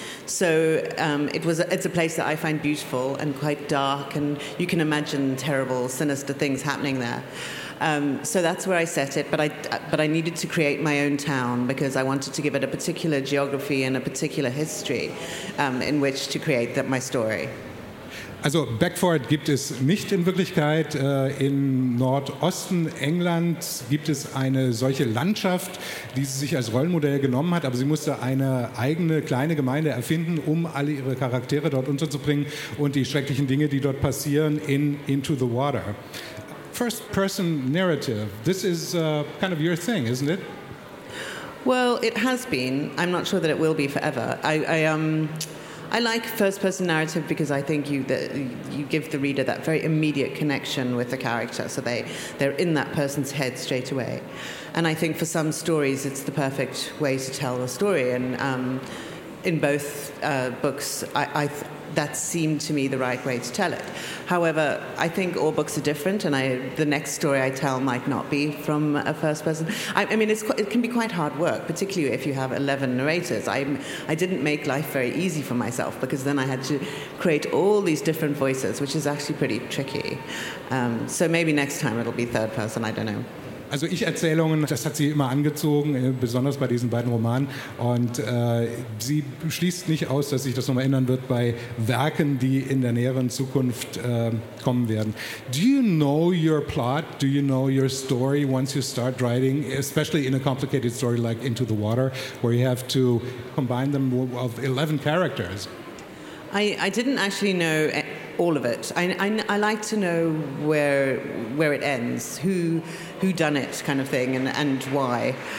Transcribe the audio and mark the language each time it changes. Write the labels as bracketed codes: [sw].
[en] So it's a place that I find beautiful and quite dark, and you can imagine terrible, sinister things happening there. So that's where I set it, but I needed to create my own town because I wanted to give it a particular geography and a particular history in which to create my story. [de] Also Beckford gibt es nicht in Wirklichkeit. Im Nordosten Englands gibt es eine solche Landschaft, die sie sich als Rollenmodell genommen hat, aber sie musste eine eigene kleine Gemeinde erfinden, um alle ihre Charaktere dort unterzubringen und die schrecklichen Dinge, die dort passieren, in Into the Water. [en] First-person narrative, this is kind of your thing, isn't it? Well, it has been. I'm not sure that it will be forever. I like first-person narrative because I think you give the reader that very immediate connection with the character, so they're in that person's head straight away. And I think for some stories, it's the perfect way to tell a story. And in both books, that seemed to me the right way to tell it. However, I think all books are different, and the next story I tell might not be from a first person. I mean, it can be quite hard work, particularly if you have 11 narrators. I didn't make life very easy for myself, because then I had to create all these different voices, which is actually pretty tricky. So maybe next time it'll be third person, I don't know. [de] Also Ich-Erzählungen, das hat sie immer angezogen, besonders bei diesen beiden Romanen. Und sie schließt nicht aus, dass sich das nochmal ändern wird bei Werken, die in der näheren Zukunft kommen werden. [en] Do you know your plot? Do you know your story once you start writing, especially in a complicated story like Into the Water, where you have to combine them of 11 characters? I didn't actually know all of it. I like to know where it ends, who done it kind of thing, and why.